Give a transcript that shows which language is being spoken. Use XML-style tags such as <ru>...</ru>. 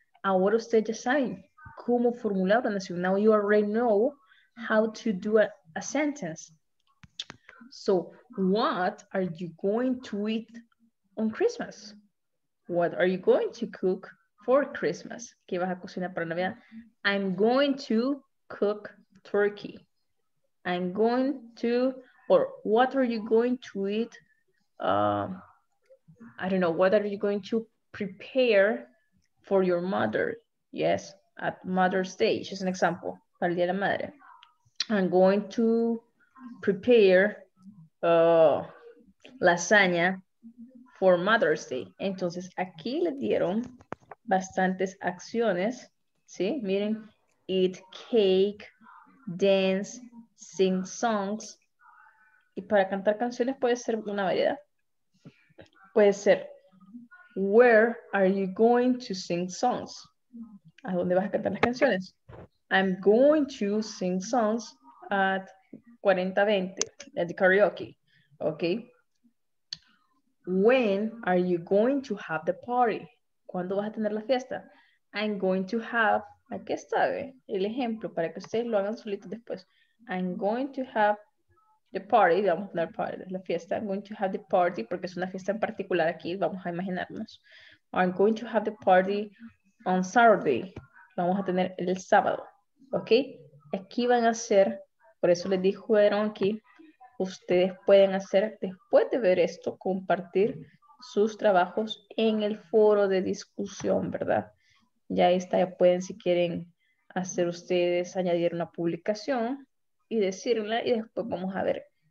<es>Ahora ustedes ya saben cómo formular una oración.</es> <en>Now you already know how to do a sentence. So what are you going to eat on Christmas? What are you going to cook for Christmas?</en> <es>¿Qué vas a cocinar para Navidad?</es> <en>I'm going to cook turkey. I'm going to, or what are you going to eat? I don't know, what are you going to prepare for your mother? Yes, at Mother's Day, just an example,</en> <es>para el Día de la Madre.</es> <en>I'm going to prepare lasagna for Mother's Day.</en> <es>Entonces, aquí le dieron bastantes acciones, ¿sí?</es> <en>Miren, eat cake, dance, sing songs.</en> <es>Y para cantar canciones puede ser una variedad. Puede ser,</es> <en>where are you going to sing songs?</en> <es>¿A dónde vas a cantar las canciones?</es> <en>I'm going to sing songs at 4020, at the karaoke, okay? When are you going to have the party?</en> <es>¿Cuándo vas a tener la fiesta?</es> <en>I'm going to have,</en> <es>aquí está el ejemplo para que ustedes lo hagan solito después.</es> <en>I'm going to have the party,</en> <es>vamos a tener party, la fiesta.</es> <en>I'm going to have the party,</en> <es>porque es una fiesta en particular aquí, vamos a imaginarnos.</es> <en>I'm going to have the party on Saturday.</en> <es>Vamos a tener el sábado, ¿ok? Aquí van a ser, por eso les dijeron aquí, ustedes pueden hacer después de ver esto, compartir sus trabajos en el foro de discusión, ¿verdad? Ya está, ya pueden, si quieren hacer ustedes, añadir una publicación y decirla, y después vamos a ver.</es>